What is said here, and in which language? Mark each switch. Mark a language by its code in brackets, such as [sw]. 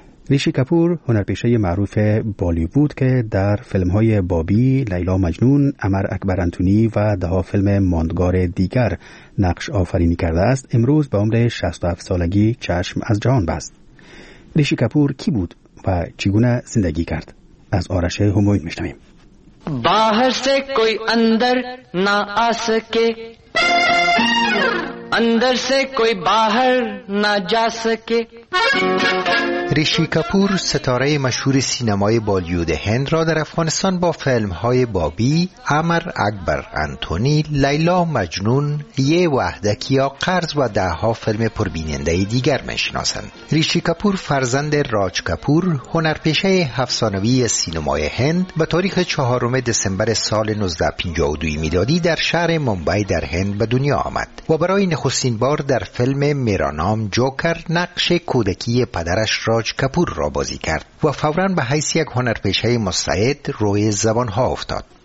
[fa] ریشی کپور، هنرپیشه معروف بالیوود که در فیلم‌های بابی، لیلا مجنون، امر اکبر انتونی و ده‌ها فیلم ماندگار دیگر نقش آفرینی کرده است، امروز به عمر 67 سالگی چشم از جهان بست. ریشی کپور کی بود و چگونه زندگی کرد؟ از آرش همایون می‌شنویم. [ur] باہر سے کوئی اندر نہ آ سکے، اندر سے کوئی باہر نہ جا سکے. [fa] ریشی کپور ستاره مشهور سینمای بالیوود هند را در افغانستان با فیلم‌های بابی، امر اکبر انتونی، لیلا مجنون، یه وحدکی یا قرض و ده‌ها فیلم پربیننده دیگر می‌شناسند. ریشی کپور فرزند راج کپور، هنرپیشه هفت‌ثانوی سینمای هند، به تاریخ 4 دسامبر سال 1952 میلادی در شهر ممبئی در هند به دنیا آمد و برای نخستین بار در فیلم میرانام جوکر نقش کودکی پدرش راج کپور را بازی کرد و فوراً به حیث یک هنرپیشه مستعد روی زبان ها افتاد.